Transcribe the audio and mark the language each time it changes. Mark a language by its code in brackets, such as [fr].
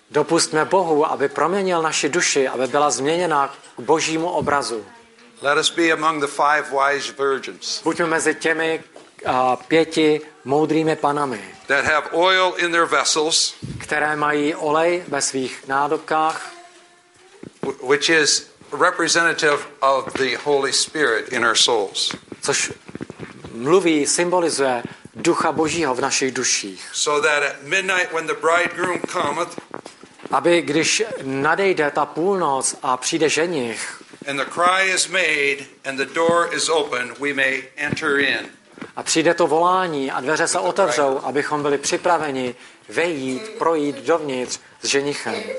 [cs] Dopustme Bohu, aby proměnil naši duši, aby byla změněna k Božímu obrazu. [en] Let us be among the five wise virgins. [cs] Buďme mezi těmi pěti moudrými panami. [en] That have oil in their vessels, [cs] které mají olej ve svých nádobkách, [en] which is representative of the Holy Spirit in our souls. [cs] Což mluví, symbolizuje Ducha Božího v našich duších. [en] So that at midnight when the bridegroom cometh, [cs] aby když nadejde ta půlnoc a přijde ženich, [en] and the cry is made and the door is open, we may enter in. [cs] A přijde to volání a dveře se otevřou, abychom byli připraveni vejít, projít dovnitř s ženichem.